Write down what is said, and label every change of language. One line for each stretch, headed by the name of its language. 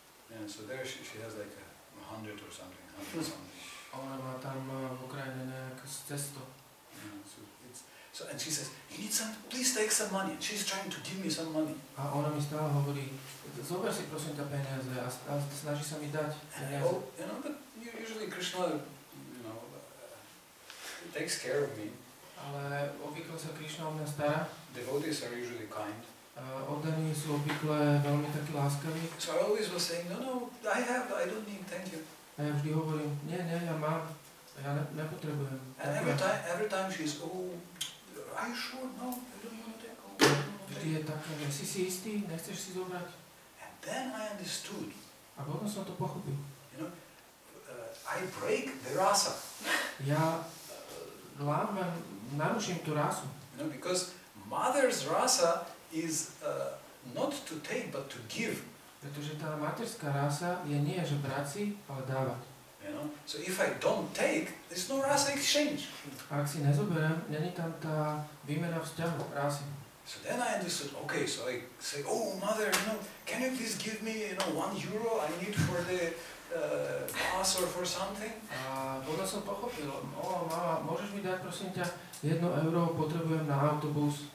English: Yeah, so there she has like a 100 or something, 100 something.
Slovak: Ona má tam v Ukrajine nejaké cesto.
English: So and she says, you need some, please take some money. She's trying to give me some money.
Slovak: A ona mi stále hovorí, zober si prosím tie peniaze a snaží sa mi dať peniaze.
English: You know, but usually Krishna, you know, takes care of me.
Slovak: Ale obvykle sa Krishna o mňa stará.
English: Devotees are usually kind.
Slovak: Oddaní sú obvykle veľmi takí láskaví.
English: So I always was saying, no, I have, I don't need, thank you.
Slovak: A ja vždy hovorím, nie, ja mám, ja nepotrebujem.
English: And every time she is, are you sure? No, I don't want to take all.
Slovak: Vždy je také, nechci si istý, nechceš si zobrať.
English: And then I understood.
Slovak: A potom som to pochopil.
English: You know, I break the rasa.
Slovak: Ja lámem, naruším tú rasu.
English: You know, because mother's rasa is not to take, but to give.
Slovak: Pretože tá materská rasa je nie že brať si, ale dávať.
English: You know? So if I don't take, there's no rasa exchange.
Slovak: A ak si nezoberiem, není tam tá výmena vzťahu rasy.
English: So then I understood, okay, so I say, oh mother, you know, can you please give me, you know, 1 euro I need for the bus or for something?
Slovak: A potom som pochopil, mama, môžeš mi dať prosím ťa 1 euro, potrebujem na autobus.